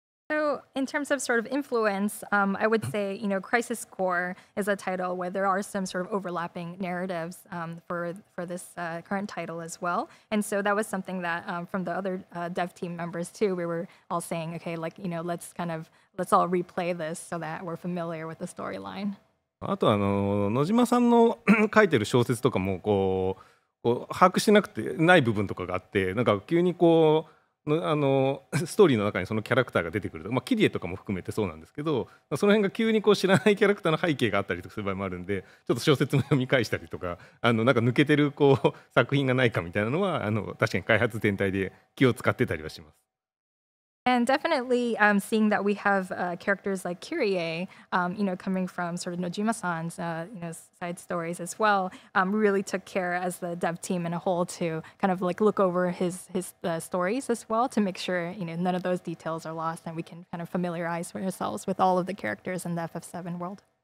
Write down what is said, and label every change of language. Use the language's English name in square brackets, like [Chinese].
[English] So in terms of sort of influence, I would say, you know, Crisis Core is a title where there are some sort of overlapping narratives for this current title as well. And so that was something that from the other dev team members too, we were all saying, okay, like, you know, let's all replay this so that we're familiar with the storyline. [Japanese] あと野島さんの書いてる小説とかもこう把握してなくてない部分とかがあって、なんか急にこうストーリーの中にそのキャラクターが出てくると、まあ、キリエとかも含めてそうなんですけど、その辺が急にこう知らないキャラクターの背景があったりとかする場合もあるんで、ちょっと小説も読み返したりとか、なんか抜けてるこう作品がないかみたいなのは確かに開発全体で気を使ってたりはします。 [English] And definitely, seeing that we have characters like Kirie, you know, coming from sort of Nojima-san's, you know, side stories as well, really took care as the dev team in a whole to kind of like look over his stories as well to make sure, you know, none of those details are lost and we can kind of familiarize ourselves with all of the characters in the FF7 world.